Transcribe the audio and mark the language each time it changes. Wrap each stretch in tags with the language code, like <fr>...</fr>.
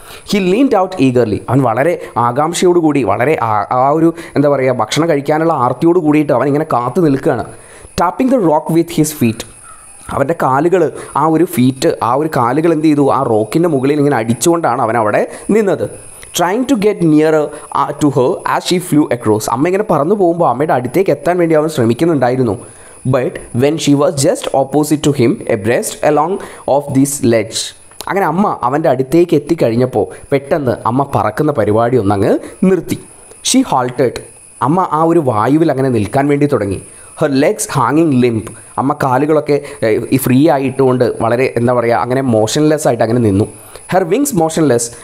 <en>He leaned out eagerly.</en> <ml>അവൻ വളരെ ആകാംക്ഷയോടുകൂടി, വളരെ ആ ഒരു എന്താ പറയുക, ഭക്ഷണം കഴിക്കാനുള്ള ആർത്തിയോടു കൂടിയിട്ട് അവൻ ഇങ്ങനെ കാത്തു നിൽക്കുകയാണ്.</ml> <en>Tapping the rock with his feet.</en> <ml>അവൻ്റെ കാലുകൾ ആ ഒരു ഫീറ്റ് ആ ഒരു കാലുകൾ എന്ത് ചെയ്തു, ആ റോക്കിൻ്റെ മുകളിൽ ഇങ്ങനെ അടിച്ചുകൊണ്ടാണ് അവൻ അവിടെ നിന്നത്.</ml> <en>Trying to get nearer to her as she flew across.</en> <ml>അമ്മ ഇങ്ങനെ പറന്നു പോകുമ്പോൾ അമ്മയുടെ അടുത്തേക്ക് എത്താൻ വേണ്ടി അവൻ ശ്രമിക്കുന്നുണ്ടായിരുന്നു.</ml> <en>But when she was just opposite to him, abreast along of this ledge.</en> <ml>അങ്ങനെ അമ്മ അവൻ്റെ അടുത്തേക്ക് എത്തിക്കഴിഞ്ഞപ്പോൾ പെട്ടെന്ന് അമ്മ പറക്കുന്ന പരിപാടി ഒന്നങ്ങ് നിർത്തി.</ml> <en>She halted.</en> <ml>അമ്മ ആ ഒരു വായുവിൽ അങ്ങനെ നിൽക്കാൻ വേണ്ടി തുടങ്ങി.</ml> <en>Her legs ഹാങ്ങിങ് limb.</en> <ml>അമ്മ കാലുകളൊക്കെ ഫ്രീ ആയിട്ടുകൊണ്ട് വളരെ എന്താ പറയുക, അങ്ങനെ മോഷൻലെസ് ആയിട്ട് അങ്ങനെ നിന്നു.</ml> <en>Her wings motionless.</en>